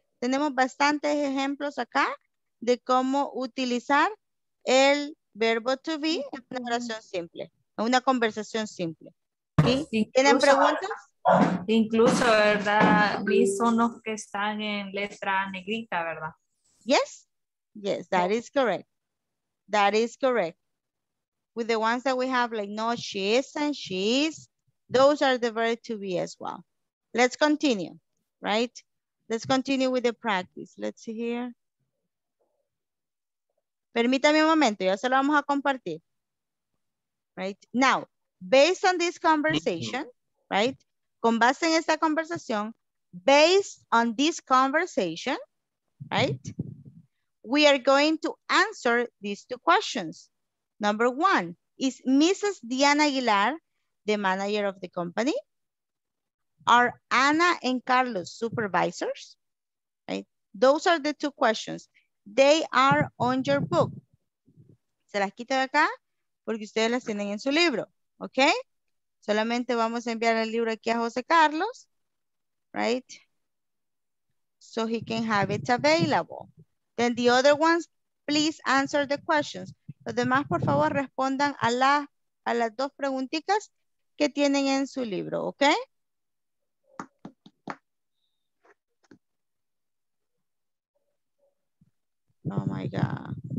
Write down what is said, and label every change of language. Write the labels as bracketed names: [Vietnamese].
[Spanish] Tenemos bastantes ejemplos acá de cómo utilizar el verbo to be en una oración simple, en una conversación simple. ¿Sí? ¿Tienen preguntas? Incluso, ¿verdad? Son los que están en letra negrita, ¿verdad? [English] Yes. Yes, that is correct. That is correct. With the ones that we have, like no, she isn't, she is. Those are the verb to be as well. Let's continue, right? Let's continue with the practice. Let's see here. [Spanish] Permítame un momento, ya se lo vamos a compartir. Right? [English] Now, based on this conversation, right? [Spanish] Con base en esta conversación, [English] based on this conversation, right? We are going to answer these two questions. Number one, is Mrs. Diana Aguilar the manager of the company? Are Ana and Carlos supervisors? Right? Those are the two questions. They are on your book. [Spanish] Se las quito de acá porque ustedes las tienen en su libro. Okay? Solamente vamos a enviar el libro aquí a José Carlos. [English] Right? So he can have it available. Then the other ones, please answer the questions. [Spanish] Los demás, por favor, respondan a las dos preguntitas que tienen en su libro, ¿ok? [English] Oh my God.